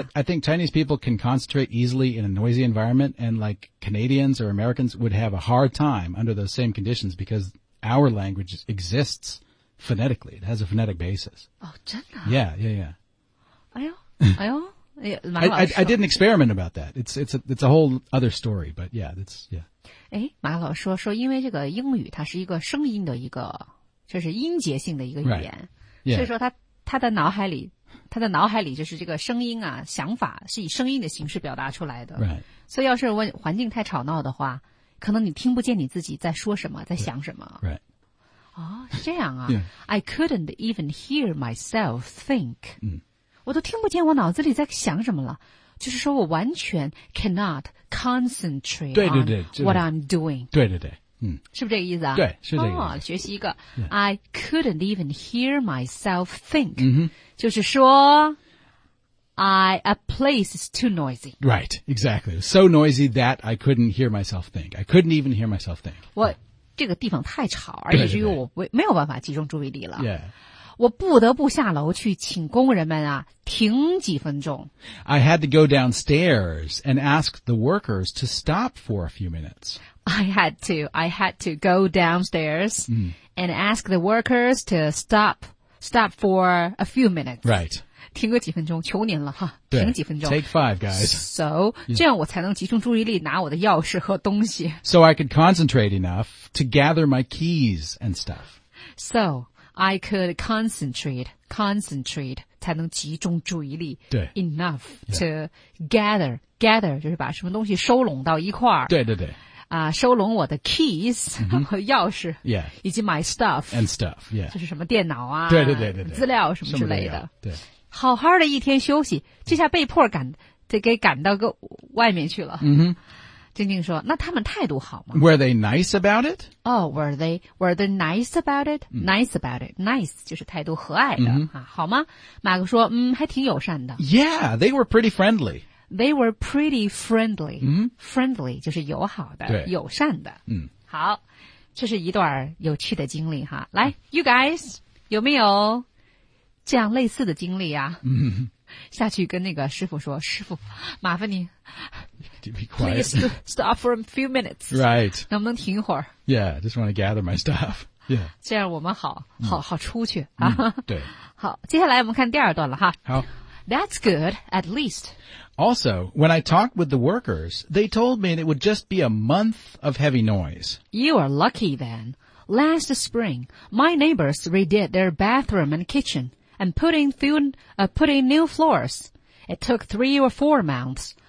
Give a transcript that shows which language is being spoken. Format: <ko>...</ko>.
<en>I think Chinese people can concentrate easily in a noisy environment and like Canadians or Americans would have a hard time under those same conditions because our language exists phonetically. It has a phonetic basis.</en> <zh>Oh, 真的?</zh> <en>Yeah, yeah, yeah.</en> <zh>哎呦，马老师，I</zh> <en>did an experiment about that. It's a whole other story, but yeah, that's yeah.</en> <zh>哎，马老师说，因为这个英语它是一个声音的一个，就是音节性的一个语言，</zh> <en>right. yeah.</en> <zh>所以说他的脑海里就是这个声音啊，想法是以声音的形式表达出来的。</zh> <en>Right.</en> <zh>所以要是问环境太吵闹的话，可能你听不见你自己在说什么，在想什么。</zh> <en>Right.</en> <zh>Oh, 是这样啊。</zh> <en>Yeah. I couldn't even hear myself think.</en> <zh>嗯。我都听不见我脑子里在想什么了，就是说我完全</zh> <en>cannot concentrate</en> <zh>对对对</zh> <en>on what I'm doing。</en> <zh>对对对，嗯，是不是这个意思啊？对，是这个意思。哦，学习一个、</zh> <en>yeah. ，I couldn't even hear myself think，、 mm-hmm.</en> <zh>就是说</zh> <en>a place is too noisy。 Right, exactly. So noisy that I couldn't hear myself think. I couldn't even hear myself think. What?、Yeah.</en> <zh>这个地方太吵，而且是因为我没有办法集中注意力了。</zh> <en>Yeah.</en> <zh>我不得不下楼去请工人们啊停几分钟。</zh> <en>I had to go downstairs and ask the workers to stop for a few minutes. I had to go downstairs and ask the workers to stop for a few minutes. Right.</en> <zh>停个几分钟，求您了哈，停几分钟。</zh> <en>Take five, guys.</en> <zh>So, 这样我才能集中注意力，拿我的钥匙和东西。</zh> <en>So I could concentrate enough to gather my keys and stuff. So I could concentrate,</en> <zh>才能集中注意力。对，enough to gather 就是把什么东西收拢到一块儿。对对对。啊，收拢我的 keys 和钥匙，</zh> <en>yeah.</en> <zh>以及</zh> <en>my stuff and stuff, yeah.</en> <zh>就是什么电脑啊，对，资料什么之类的，对。好好的一天休息，这下被迫赶到个外面去了。 Mm-hmm. 静静说：“那他们态度好吗</zh> <en>？”Were they nice about it? Oh, were they nice about it?、Mm-hmm. Nice about it.</en> <zh>Nice 就是态度和蔼的、 mm-hmm. 啊，好吗？马克说：“嗯，还挺友善的。</zh> <en>”Yeah, they were pretty friendly. They were pretty friendly.、 Mm-hmm.</en> <zh>Friendly 就是友好的、友善的。嗯、mm-hmm. ，好，这是一段有趣的经历哈。来 ，</zh> <en>You guys</en> <zh>有没有？这样类似的经历啊、嗯、下去跟那个师傅说，师傅麻烦你</zh> <en>be quiet. Please stop for a few minutes. Right.</en> <zh>能不能停一会儿</zh> <en>Yeah, just want to gather my stuff. Yeah.</en> <zh>这样我们好出去、啊嗯、对。好，接下来我们看第二段了哈。好。</zh> <en>That's good, at least. Also, when I talked with the workers, they told me it would just be a month of heavy noise. You are lucky then. Last spring, my neighbors redid their bathroom and kitchen. And putting new floors. It took 3 or 4 months.</en>